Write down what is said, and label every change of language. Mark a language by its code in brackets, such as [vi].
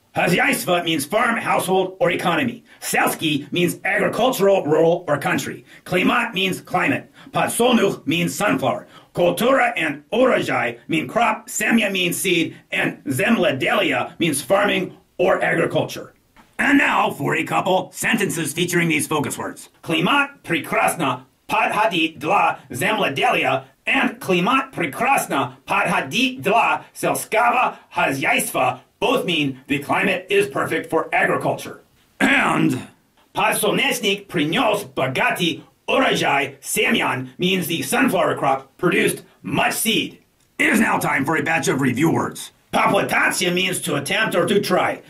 [en] Хозяйство means farm, household, or economy. Сельский means agricultural, rural, or country. Климат means climate. Подсолнух means sunflower. Культура and урожай mean crop, семя means seed, and земледелие means farming or agriculture. And now for a couple sentences featuring these focus words. [ru] Климат прекрасно подходит для земледелия. And климат прекрасно подходит для сельского хозяйства. [en] Both mean the climate is perfect for agriculture. And [ru] подсолнечник принес богатый урожай семян [en] means the sunflower crop produced much seed. It is now time for a batch of review words. Попытаться means to attempt or to try.